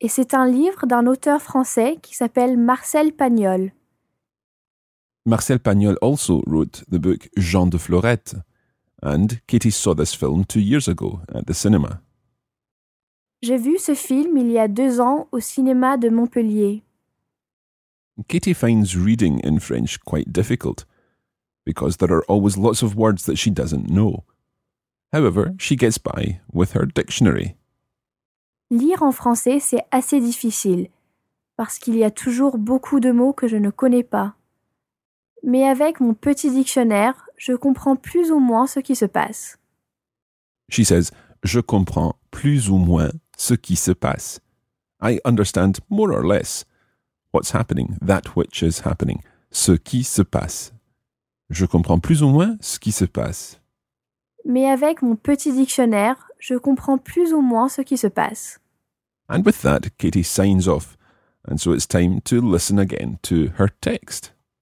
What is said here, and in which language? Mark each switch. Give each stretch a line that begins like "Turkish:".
French: Et c'est un livre d'un auteur français qui s'appelle Marcel Pagnol.
English: Marcel Pagnol also wrote the book « Jean de Florette ». And Katie saw this film 2 years ago at the cinema.
French: J'ai vu ce film il y a 2 ans au cinéma de Montpellier.
English: Katie finds reading in French quite difficult, because there are always lots of words that she doesn't know. However, she gets by with her dictionary.
French: Lire en français, c'est assez difficile, parce qu'il y a toujours beaucoup de mots que je ne connais pas. Mais avec mon petit dictionnaire, je comprends plus ou moins ce qui se passe.
English: She says,
French: je comprends plus ou moins ce qui se passe.
English: I understand more or less. What's happening, that which is happening,
French: ce qui se passe. Je comprends plus ou moins ce qui se passe. Mais avec mon petit dictionnaire, je comprends plus ou moins ce qui se passe.
English: And with that, Katie signs off. And so it's time to listen again to her text.